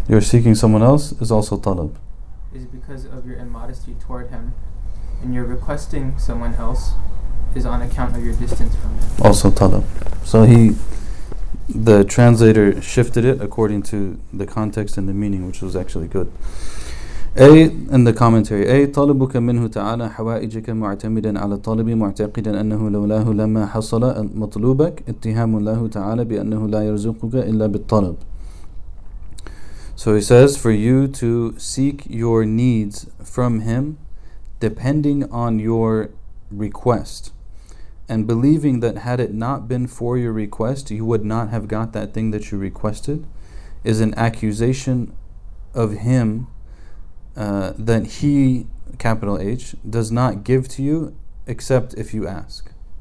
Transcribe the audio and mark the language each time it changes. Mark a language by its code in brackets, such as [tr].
[en] You're seeking someone else is also talab. Is because of your immodesty toward him, and you're requesting someone else is on account of your distance from him. Also talab. So the translator shifted it according to the context and the meaning, which was actually good. A in the commentary, A [ar] طالبك منه تعالى حوائجك معتمدا على طالبي معتقدا أنه لولاه لما حصل مطلوبك اتهام الله تعالى بأنه لا يرزقك إلا بالطلب. [en] So he says, for you to seek your needs from him, depending on your request, and believing that had it not been for your request, you would not have got that thing that you requested, is an accusation of him that he, capital H, does not give to you except if you ask.